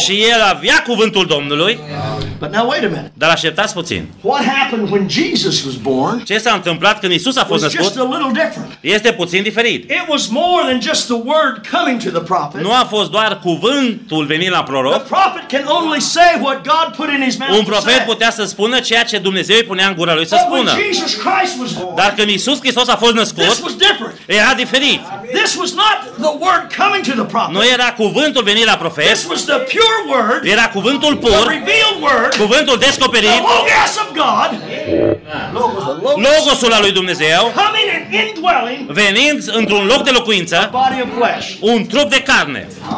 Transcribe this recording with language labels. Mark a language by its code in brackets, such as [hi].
[ro] Și el avea cuvântul Domnului. [en] But now wait a minute. [ro] Dar așteptați puțin. [en] What happened when Jesus was born? [ro] Ce s-a întâmplat când Isus a fost născut? [en] A little different. [ro] Este puțin diferit. [en] It was more than just the word coming to the prophet. [ro] Nu a fost doar cuvântul venind la proroc. [en] The prophet can only say what God put in his mouth. [ro] Un profet putea să spună ceea ce Dumnezeu îi punea în gura lui să spună. [en] But when Jesus Christ was born. [ro] Dar când Iisus Hristos a fost născut. [en] This was different. [ro] Era diferit. [en] This was not the word coming to the prophet. [ro] Nu era cuvântul venind la profet. [en] This was the pure word. [ro] Era cuvântul pur. [en] The revealed word. [ro] Cuvântul descoperit. [en] The Logos of God. [ro] Logosul al lui Dumnezeu. Venind într-un loc de locuință, un trup de carne.